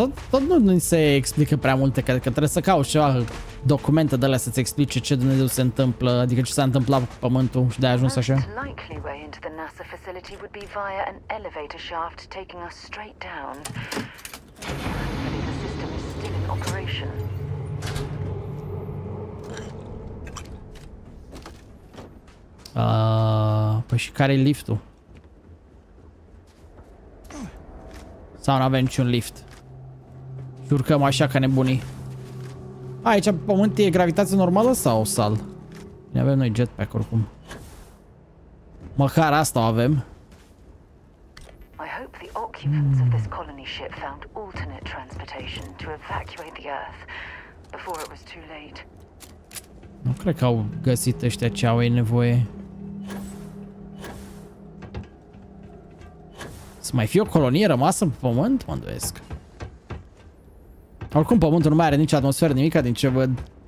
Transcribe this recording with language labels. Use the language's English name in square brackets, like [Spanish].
[Romanian] Tot nu ni se explică prea multe, cred că trebuie să cauți ceva documente de alea să-ți explice ce Dumnezeu se întâmplă, adică ce s-a întâmplat cu pământul și de-aia ajuns așa. [English] Likely way into the NASA facility would be via an elevator shaft taking us straight down. The system is still in operation. [Romanian] Păi și care-i liftul? Sau nu avem niciun lift? Și urcăm așa ca nebunii. Aici pe pământ e gravitație normală sau o sal? Ne avem noi jetpack oricum. Măcar asta o avem. [English] I hope the occupants of this colony ship found alternate transportation to evacuate the Earth before it was too late. [Romanian] Nu cred că au găsit ăștia ce au ei nevoie. Să mai fie o colonie rămasă pe pământ? Mă îndoiesc. Oricum pământul nu mai are nici atmosferă, nimica din ce văd.